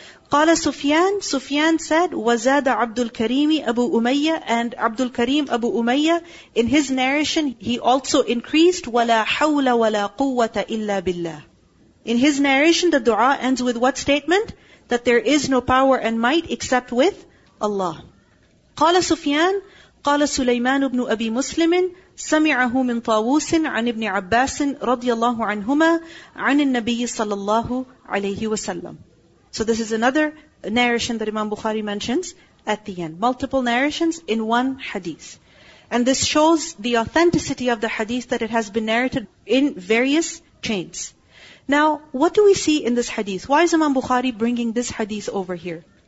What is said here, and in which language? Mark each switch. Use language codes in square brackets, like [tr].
[ar] Qala Sufyan, [en] Sufyan said, wazada Abdul Karimi Abu Umayya, and Abdul Karim Abu Umayya, in his narration, he also increased, [ar] wala hawla wala quwwata illa billah. [en] In his narration, the dua ends with what statement? That there is no power and might except with Allah. [ar] Qala Sufyan, قال سليمان بن أبي مسلم سمعه من طاووس عن ابن عباس رضي الله عنهما عن النبي صلى الله عليه وسلم. [en] So this is another narration that Imam Bukhari mentions at the end. Multiple narrations in one hadith. And this shows the authenticity of the hadith that it has been narrated in various chains. Now, what do we see in this hadith? Why is Imam Bukhari bringing this hadith over here?